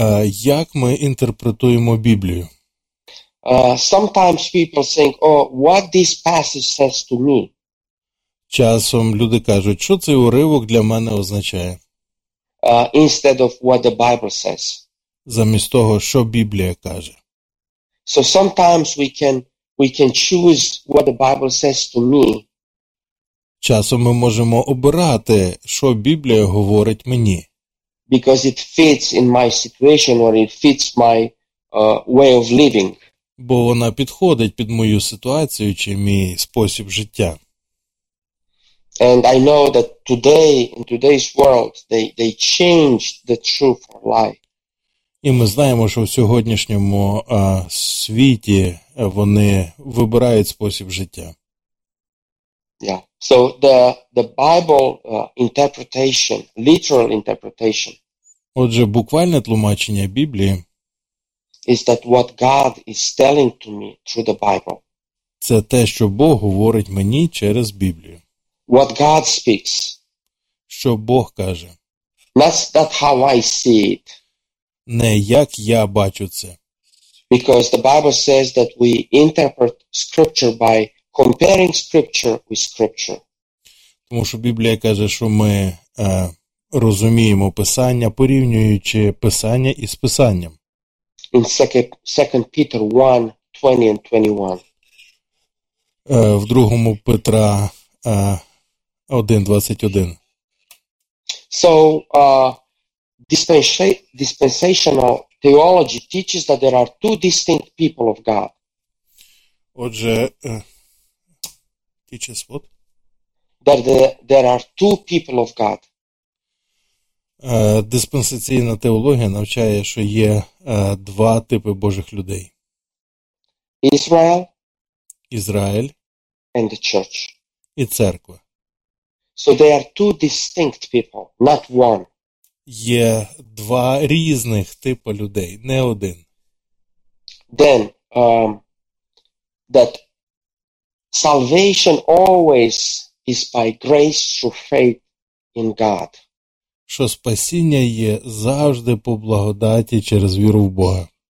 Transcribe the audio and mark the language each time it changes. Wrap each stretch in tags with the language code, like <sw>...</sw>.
<uk>Як ми інтерпретуємо Біблію?</uk> <en>Sometimes people think, what this passage says to me?</en> <uk>Часом люди кажуть, що цей уривок для мене означає?</uk> <en>Instead of what the Bible says.</en> <uk>Замість того, що Біблія каже.</uk> <en>So sometimes we can choose what the Bible says to me.</en> <uk>Часом ми можемо обирати, що Біблія говорить мені.</uk> <en>Because it fits in my situation or it fits my way of living.</en> <uk>Бо вона підходить під мою ситуацію чи мій спосіб життя.</uk> <en>And I know that today, in today's world, they changed the truth for life.</en> <uk>І ми знаємо, що в сьогоднішньому світі вони вибирають спосіб життя.</uk> <en>Yeah. So the Bible interpretation, literal interpretation.</en> <uk>Отже, буквальне тлумачення Біблії.</uk> <en>Is that what God is telling to me through the Bible.</en> <uk>Це те, що Бог говорить мені через Біблію.</uk> <en>What God speaks.</en> <uk>Що Бог каже.</uk> <en>That's how I see it.</en> <uk>Не як я бачу це.</uk> <en>Because the Bible says that we interpret scripture by comparing scripture with scripture.</en> <uk>Тому що Біблія каже, що ми розуміємо Писання, порівнюючи Писання із Писанням.</uk> <en>In 2 Peter 1:20 and 21.</en> <uk>В 2 Петра 1:21.</uk> <en>So, dispensational theology teaches that there are two distinct people of God.</en> <uk>Отже,</uk> <en>teaches what? That there are two people of God.</en> <uk>Диспенсаційна теологія навчає, що є два типи Божих людей.</uk> <en>Israel.</en> <uk>Ізраїль.</uk> <en>And the church.</en> <uk>І церква.</uk> <en>So they are two distinct people, not one.</en> <uk>Є два різних типи людей, не один.</uk> <en>Then, that salvation always is by grace through faith in God.</en> <uk>Що спасіння є завжди по благодаті через віру в Бога.</uk>